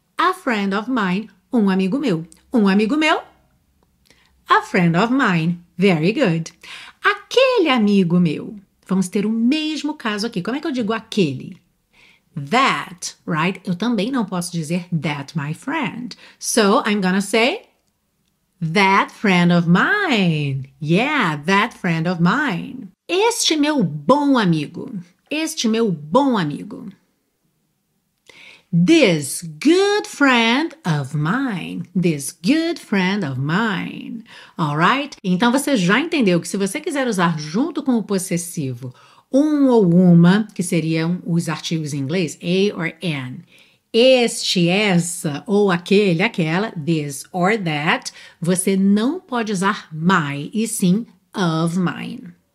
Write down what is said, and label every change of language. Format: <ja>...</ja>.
<en>A friend of mine,</en> <pt>um amigo meu. Um amigo meu,</pt> <en>a friend of mine. Very good.</en> <pt>Aquele amigo meu. Vamos ter o mesmo caso aqui. Como é que eu digo aquele?</pt> <en>That, right?</en> <pt>Eu também não posso dizer that, my friend.</pt> <en>So, I'm gonna say that friend of mine. Yeah, that friend of mine.</en> <pt>Este meu bom amigo. Este meu bom amigo.</pt> <en>This good friend of mine. This good friend of mine. Alright?</en> <pt>Então você já entendeu que se você quiser usar junto com o possessivo um ou uma, que seriam os artigos em inglês, a or an, este, essa ou aquele, aquela, this or that, você não pode usar my e sim of mine.</pt>